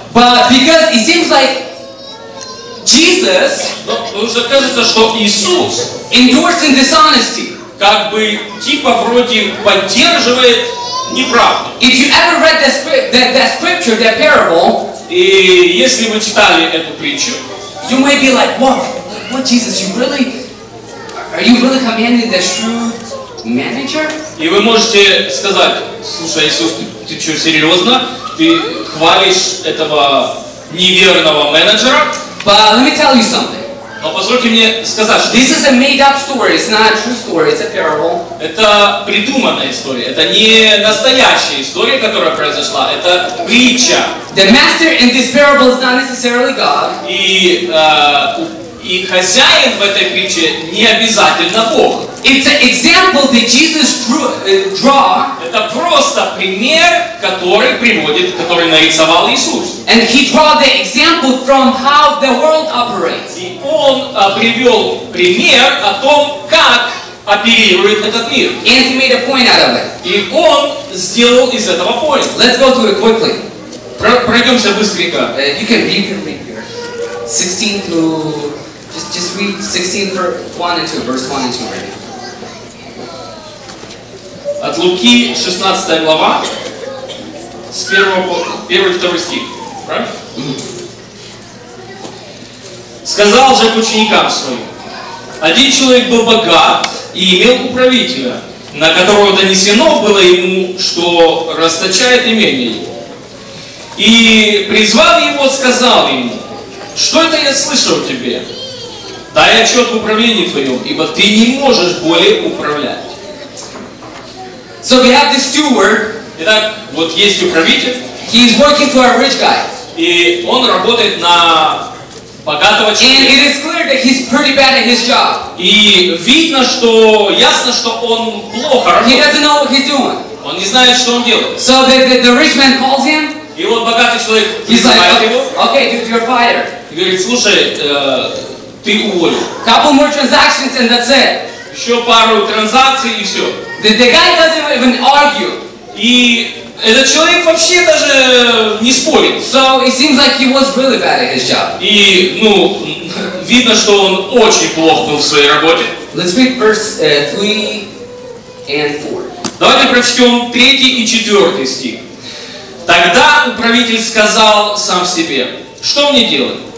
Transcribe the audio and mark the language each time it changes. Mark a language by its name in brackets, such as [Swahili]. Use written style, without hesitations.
[English] But because it seems like Jesus, [Russian] потому что кажется, что Иисус [English] endorsing dishonesty, [Russian] как бы типа вроде поддерживает неправду. [English] If you ever read that scripture, that parable, [Russian] и если вы читали эту притчу, [English] you might be like, what Jesus, you really? Are you really commanding the shrewd manager? [Russian] И вы можете сказать, слушай, Иисус, ты что, серьезно? Ты хвалишь этого неверного менеджера? [English] But let me tell you something. [Russian] Но позвольте мне сказать, что... [English] This is a made-up story, it's not a true story, it's a parable. [Russian] Это придуманная история, это не настоящая история, которая произошла, это притча. [English] The master in this parable is not necessarily God. [Russian] И хозяин в этой притче не обязательно Бог. [English] It's an example that Jesus drew. [Russian] Это просто пример, который нарисовал Иисус. [English] And he draw the example from how the world operates. [Russian] И он привел пример о том, как оперирует этот мир. [English] And he made a point out of it. [Russian] И он сделал из этого point. [English] Let's go through it quickly. [Russian] Пройдемся быстренько. [English] You can read here. 16 to... just read 16 1 and 2, verse 1 and 2 right now. [Russian] От Луки 16 глава, з 1-2 стих. Сказав же к ученикам своим, один человек был богат и имел управителя, на которого донесено было ему, что расточает имение его. И призвав его, сказал ему, что это я слышал тебе? Дай отчет в управлении твоем, ибо ты не можешь более управлять. [English] So we have this steward. [Russian] Итак, вот есть управитель. [English] He is working for a rich guy. [Russian] И он работает на богатого человека. [English] And it is clear that he's pretty bad at his job. [Russian] И видно, что ясно, что он плохо работает. [English] He doesn't know what he's doing. [Russian] Он не знает, что он делает. [English] So the rich man calls him. [Russian] И вот богатый человек вызывает его. [English] Okay, dude, you're fired. [Russian] И говорит, слушай, ты уволен. [English] Couple more transactions and that's it. [Russian] Еще пару транзакций и все. [English] The guy doesn't even argue. [Russian] И этот человек вообще даже не спорит. [English] So it seems like he was really bad at his job. [Russian] И, ну, видно, что он очень плох был в своей работе. [English] Let's read verse 3 and 4. [Russian] Давайте прочтем 3 и 4 стих. Тогда управитель сказал сам себе, что мне делать?